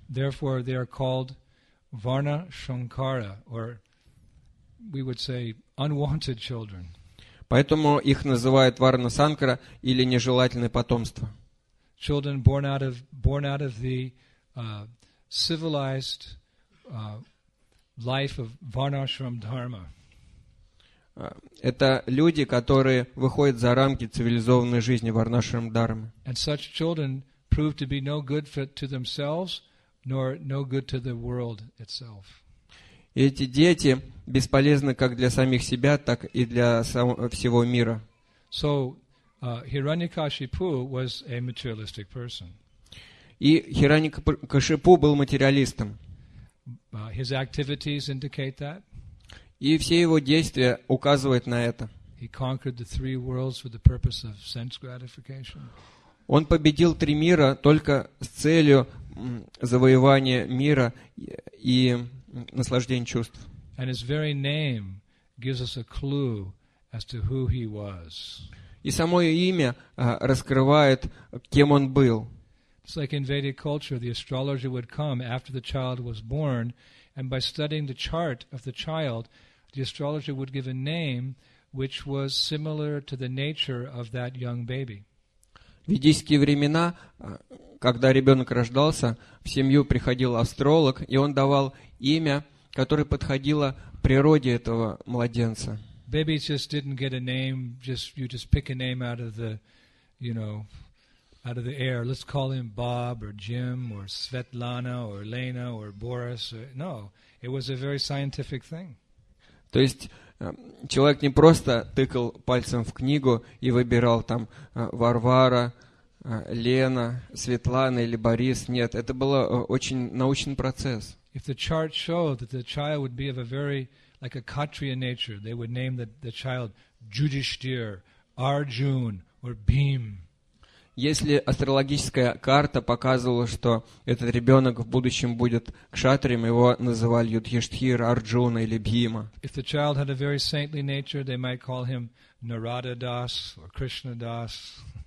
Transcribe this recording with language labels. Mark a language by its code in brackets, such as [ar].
[en] Therefore, they are called Varna Shankara, or we would say unwanted children. [ru] Поэтому их называют Варна Санкара или нежелательное потомство. [en] Children born out of the civilized life of Varnashram Dharma. [ru] Это люди, которые выходят за рамки цивилизованной жизни Варнашрам Дхармы. [en] And such children prove to be no good to themselves, nor no good to the world itself. [ru] И эти дети бесполезны как для самих себя, так и для всего мира. [en] So, Hiranyakashipu was a materialistic person. [ru] И Хираньякашипу был материалистом. [en] His activities indicate that. [ru] И все его действия указывают на это. [en] He conquered the three worlds for the purpose of sense gratification. [ru] Он победил три мира только с целью завоевания мира и наслаждения чувств. [en] And his very name gives us a clue as to who he was. [ru] И само имя раскрывает, кем он был. [en] It's like in Vedic culture, the astrologer would come after the child was born, and by studying the chart of the child, the astrologer would give a name which was similar to the nature of that young baby. [ru] В ведические времена, когда ребенок рождался, в семью приходил астролог, и он давал имя, которое подходило природе этого младенца. [en] Babies just didn't get a name, you just pick a name out of the, you know, out of the air. Let's call him Bob or Jim or Svetlana or Lena or Boris. No, it was a very scientific thing. [ru] То есть человек не просто тыкал пальцем в книгу и выбирал там Варвара, Лена, Светлана или Борис. Нет, это был очень научный процесс. [en] If the chart showed that the child would be of a very like a Kshatriya nature, they would name the child Judhishthir, Arjun or Bhim. [ru] Если астрологическая карта показывала, что этот ребенок в будущем будет кшатрием, его называли Юдхиштхир, Арджуна или Бхима. [en] If the child had a very saintly nature, they might call him Narada Das or Krishna Das.